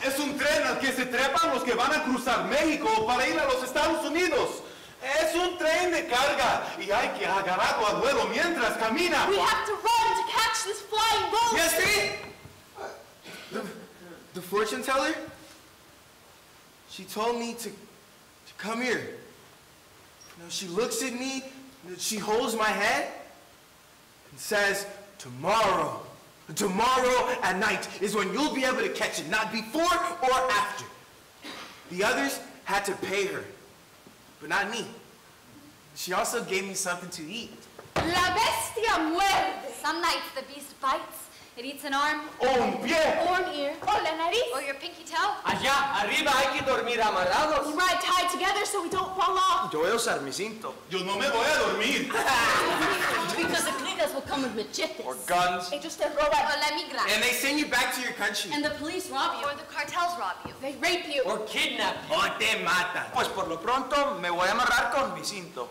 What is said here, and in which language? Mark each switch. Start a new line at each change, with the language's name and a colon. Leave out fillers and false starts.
Spanish: Es un tren al que se trepan los que van a cruzar México para ir a los Estados Unidos. Es un tren de carga y hay que agarrarlo a vuelo mientras camina.
English: We have to run to catch this flying bull. Yes, me? The fortune teller? She told me to come here. You know, she looks at me, she holds my head, and says, tomorrow at night is when you'll be able to catch it, not before or after. The others had to pay her, but not me. She also gave me something to eat.
Spanish: La bestia muerde.
English: Some nights the beast bites. It eats an arm.
Spanish: O un pie.
English: Or an ear.
Spanish: O la nariz.
English: Or your pinky toe.
Spanish: Allá arriba hay que dormir amarrados.
English: We ride tied together so we don't fall off.
Spanish: Yo voy a usar mi cinto. Yo no me voy a dormir.
English: Because the gringas will come with machetes. Or guns.
Spanish: Ellos te roban. O la migra.
English: And they send you back to your country. And the police rob you. Or the cartels rob you. They rape you. Or kidnap you.
Spanish: O te matan. Pues por lo pronto me voy a amarrar con mi cinto.